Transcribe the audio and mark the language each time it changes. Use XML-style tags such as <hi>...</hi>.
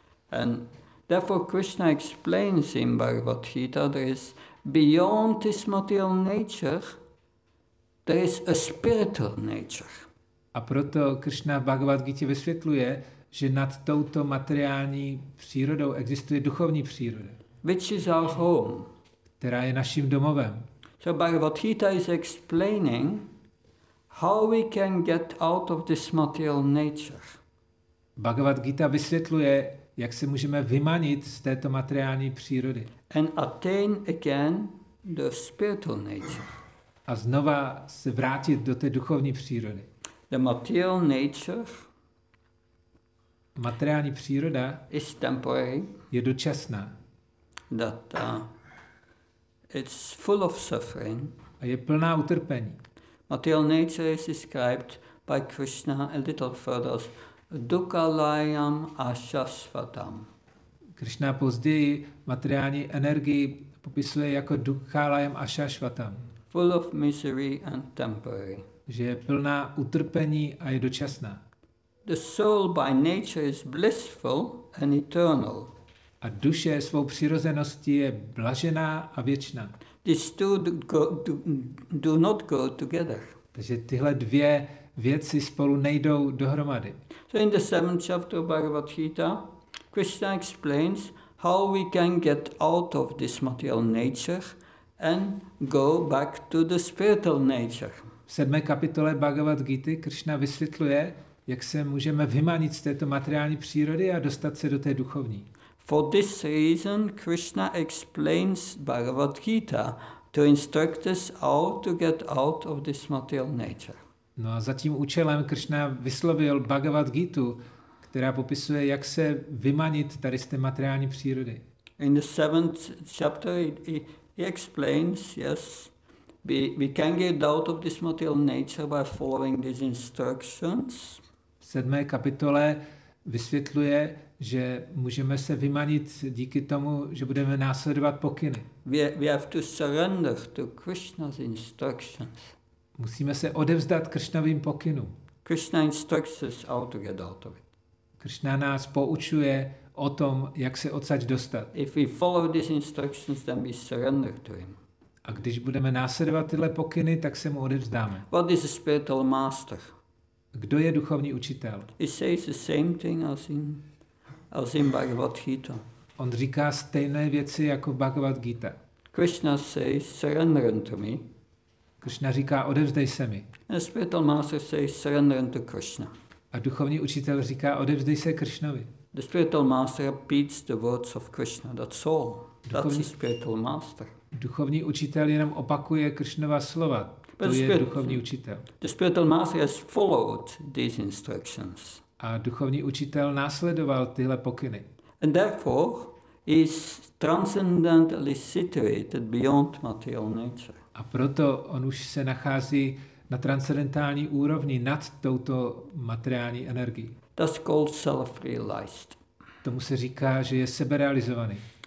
<en>And therefore Krishna explains in Bhagavad Gita, there is beyond this material nature, there is a spiritual nature.</en> <cs>A proto Krishna v Bhagavad Gita vysvětluje, že nad touto materiální přírodou existuje duchovní příroda.</cs> <en>Which is our home.</en> <cs>Která je naším domovem.</cs> <en>So Bhagavad Gita is explaining how we can get out of this material nature.</en> <cs>Bhagavad Gita vysvětluje, jak se můžeme vymanit z této materiální přírody.</cs> <en>And attain again the spiritual nature.</en> <cs>A znova se vrátit do té duchovní přírody.</cs> <en>The material nature.</en> <cs>Materiální příroda</cs> <en>is temporary.</en> <cs>Je dočasná.</cs> <en>That It's full of suffering.</en> <cs>A je plná utrpení.</cs> <en>Material nature is described by Krishna a little further as</en> <sa>dukalayam ashasvatam.</sa> <cs>Krishna později materiální energii popisuje jako</cs> <sa>dukalayam ashasvatam.</sa> <en>Full of misery and temporary.</en> <cs>Že je plná utrpení a je dočasná.</cs> <en>The soul by nature is blissful and eternal.</en> <cs>A duše svou přirozeností je blažená a věčná.</cs> <en>These two do not go together.</en> <cs>Takže tyhle dvě věci spolu nejdou dohromady.</cs> <en>So in the seventh chapter of Bhagavad Gita, Krishna explains how we can get out of this material nature and go back to the spiritual nature.</en> <cs>V 7. kapitole Bhagavad Gita Krishna vysvětluje, jak se můžeme vymanit z této materiální přírody a dostat se do té duchovní.</cs> <en>For this reason Krishna explains Bhagavad Gita to instruct us how to get out of this material nature.</en> <cs>No a za tím účelem Krishna vyslovil Bhagavad Gitu, která popisuje, jak se vymanit tady z té materiální přírody.</cs> <en>In the seventh chapter he explains, yes, we can get out of this material nature by following these instructions.</en> <cs>V 7. kapitole vysvětluje, že můžeme se vymanit díky tomu, že budeme následovat pokyny.</cs> <en>We have to surrender to Krishna's instructions.</en> <cs>Musíme se odevzdat Krishnovým pokynům.</cs> <en>Krishna instructs us how to get out of it.</en> <cs>Krishna nás poučuje o tom, jak se odsaď dostat.</cs> <en>If we follow these instructions, then we surrender to him.</en> <cs>A když budeme následovat tyhle pokyny, tak se mu odevzdáme.</cs> <en>What is a spiritual master?</en> <cs>Kdo je duchovní učitel?</cs> <en>He says the same thing as in Bhagavad Gita.</en> <cs>On říká stejné věci jako Bhagavad Gita.</cs> <en>Krishna says surrender to me.</en> <cs>Krishna říká odevzdej se mi.</cs> <en>A spiritual master says surrender to Krishna.</en> <cs>A duchovní učitel říká odevzdej se Krishnovi.</cs> <en>The spiritual master repeats the words of Krishna. That's all. That's a spiritual master.</en> <cs>Duchovní učitel jenom opakuje Krishnova slova. To je duchovní učitel.</cs> <en>The spiritual master has followed these instructions.</en> <cs>A duchovní učitel následoval tyhle pokyny.</cs> <en>And therefore is transcendentally situated beyond material nature.</en> <cs>A proto on už se nachází na transcendentální úrovni nad touto materiální energií.</cs> <en>That's called self-realized.</en> <cs>Tomu se říká, že je seberealizovaný.</cs>